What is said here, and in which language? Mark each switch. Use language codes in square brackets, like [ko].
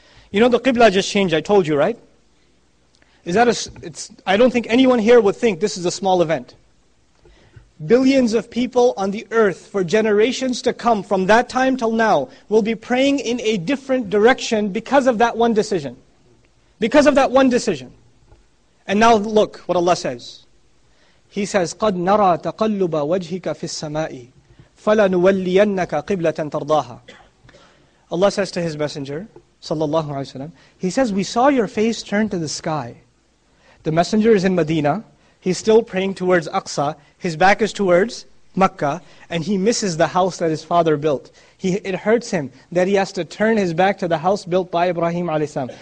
[en] You know, the Qibla just changed. I told you, right? I don't think anyone here would think this is a small event. Billions of people on the earth for generations to come from that time till now will be praying in a different direction because of that one decision. Because of that one decision. And now look what Allah says. He says, [ar] قَدْ نَرَى تَقَلُّبَ وَجْهِكَ فِي السَّمَاءِ فَلَنُوَلِّيَنَّكَ قِبْلَةً تَرْضَاهَا. [en] Allah says to His Messenger, sallallahu alayhi wa sallam, He says, we saw your face turn to the sky. The Messenger is in Medina. He's still praying towards Aqsa. His back is towards Makkah. And he misses the house that his father built. It hurts him that he has to turn his back to the house built by Ibrahim alayhi salam.